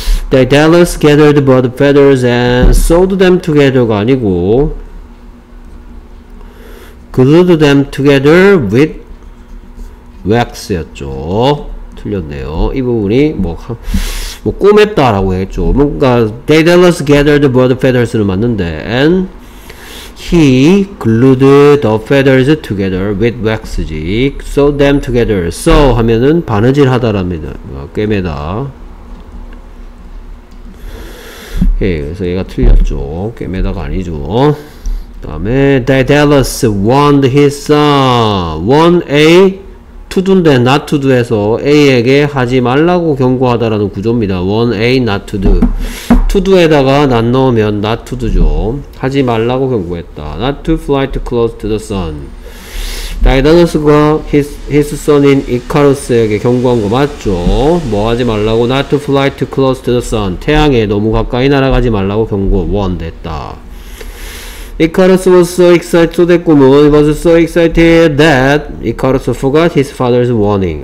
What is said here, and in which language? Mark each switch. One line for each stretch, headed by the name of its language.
English: Daedalus gathered bird feathers and sewed them together
Korean: 가 아니고
English: glued them together with wax였죠.
Korean: 틀렸네요. 이 부분이 뭐 꿰맸다라고 했죠.
English: 뭔가 Daedalus gathered bird feathers
Korean: 는 맞는데
English: and he glued the feathers together with wax지. Sewed them together.
Korean: So 하면은 바느질 하다랍니다. 꿰매다. 예, 그래서 얘가 틀렸죠. 꿰매다가 아니죠. 다음에
English: Daedalus warned his son. Warn A to do
Korean: 인데
English: not to do
Korean: 해서 A에게 하지 말라고 경고하다라는 구조입니다.
English: Warn A not to do. To do
Korean: 에다가 not 넣으면
English: not to do죠.
Korean: 하지 말라고 경고했다.
English: Not to fly too close to the sun.
Korean: Daedalus가 his son인 Icarus에게 경고한 거 맞죠? 뭐 하지 말라고?
English: Not to fly too close to the sun.
Korean: 태양에 너무 가까이 날아가지 말라고 경고 원했다.
English: Icarus was so excited.
Korean: 소대꿈은
English: was so excited that Icarus forgot his father's warning.